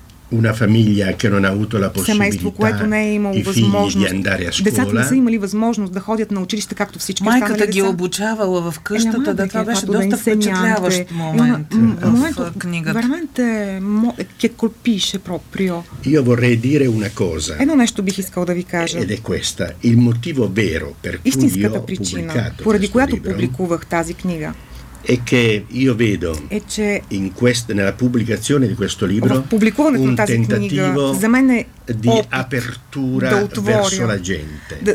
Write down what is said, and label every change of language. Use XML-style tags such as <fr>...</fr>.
<it>una famiglia che non ha avuto la possibilità i figli di andare a scuola.</it> <bg>Децата не са имали възможност да ходят на училище както всички останали деца. Майката ги обучавала в къщата, да, това беше доста впечатляващ момент в книгата.</bg> <it>Veramente che colpisce proprio. Io vorrei dire una cosa. E non è sto bih</it> <bg>искал да ви кажа.</bg> <it>Ed è questa, il motivo vero per cui io ho pubblicato questo libro.</it> <bg>Истинската причина, поради която публикувах тази книга.</bg> <it>E che io vedo in nella pubblicazione di questo libro un tentativo di apertura verso la gente.</it>